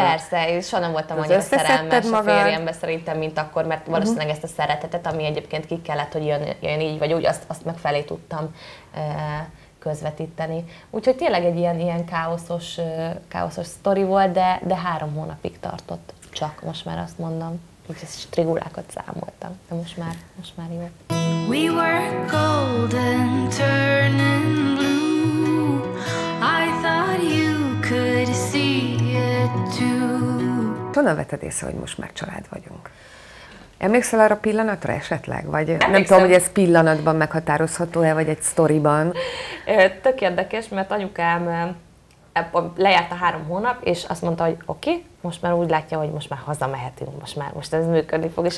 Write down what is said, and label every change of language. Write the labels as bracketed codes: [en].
[hu] Persze, és soha nem voltam annyira szerelmes magad? A férjembe szerintem, mint akkor, mert valószínűleg ezt a szeretetet, ami egyébként ki kellett, hogy jön így vagy úgy, azt meg felé tudtam közvetíteni. Úgyhogy tényleg egy ilyen káoszos sztori volt, de 3 hónapig tartott csak, most már azt mondom. Úgyhogy ezt strigulákat számoltam, de most már jó. [en] We were golden, turning blue. I thought you could see it too. [hu] Tudom, vetted észre, hogy most már család vagyunk. Emlékszel arra pillanatra esetleg? Vagy nem tudom, hogy ez pillanatban meghatározható-e, vagy egy sztoriban? Tök érdekes, mert anyukám lejárt a 3 hónap, és azt mondta, hogy oké, most már úgy látja, hogy most már hazamehetünk, most ez működni fog.